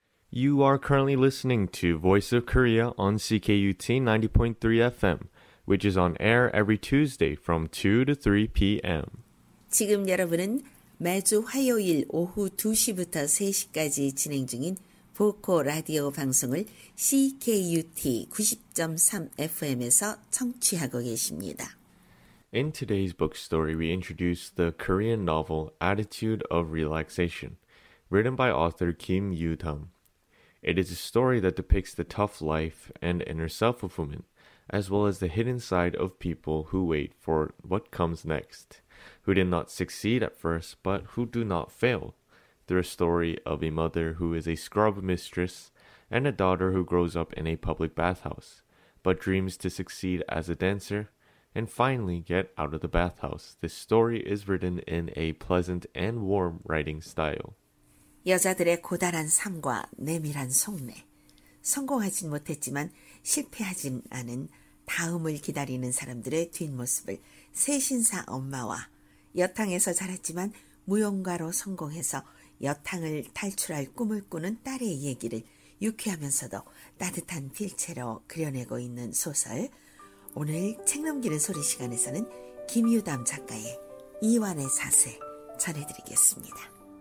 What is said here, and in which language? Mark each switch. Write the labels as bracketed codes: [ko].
[en] You are currently listening to Voice of Korea on CKUT 90.3 FM, which is on air every Tuesday from 2 to 3 PM. [ko] 지금 여러분은 매주 화요일 오후 2시부터 3시까지 진행 중인 보코 라디오 방송을 CKUT 90.3 FM에서 청취하고 계십니다. [en] In today's book story, we introduce the Korean novel Attitude of Relaxation, written by author Kim Yoo-dum. It is a story that depicts the tough life and inner self-fulfillment, as well as the hidden side of people who wait for what comes next, who did not succeed at first, but who do not fail, through a story of a mother who is a scrub mistress and a daughter who grows up in a public bathhouse, but dreams to succeed as a dancer and finally get out of the bathhouse. This story is written in a pleasant and warm writing style. [ko] 여자들의 고단한 삶과 내밀한 속내, 성공하진 못했지만 실패하진 않은 다음을 기다리는 사람들의 뒷모습을 세신사 엄마와 여탕에서 자랐지만 무용가로 성공해서 여탕을 탈출할 꿈을 꾸는 딸의 얘기를 유쾌하면서도 따뜻한 필체로 그려내고 있는 소설, 오늘 책 넘기는 소리 시간에서는 김유담 작가의 이완의 사세 전해드리겠습니다.